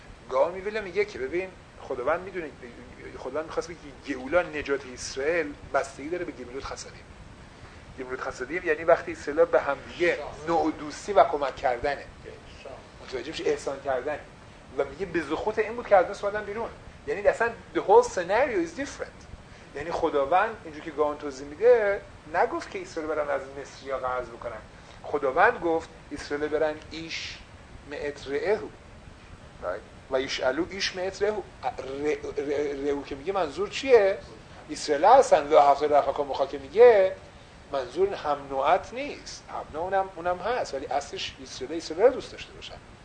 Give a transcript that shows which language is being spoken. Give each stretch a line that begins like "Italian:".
Persian: گاه میبینه میگه که ببین خداوند میدونه، خداوند میخواست بگه گئولا نجات اسرائیل بستگی داره به گمیلوت خسدیم. گمیلوت خسدیم یعنی وقتی اسرائیل ها به هم دیگه نوع دوستی و کمک کردنه. متوجه میشه؟ احسان کردن. و میگه به زخوت این بود که از دست اومدن بیرون. یعنی اصلا
English: the whole scenario is different.
Persian: یعنی خداوند اینجوری که گاون توضیح میده نگفت که اسرائیل برن از مصری ها قرض بکنن. خداوند گفت اسرائیل برن ایش مئت رئهو و ایش الو ایش مئت رئهو. رئهو که میگه منظور چیه؟ اسرائیل هستن. و هفته رخا که مخواه که میگه منظور هم نوعت نیست، هم نوع اونم هست، ولی اصلش اسرائیل اسرائیل دوست داشته باشن.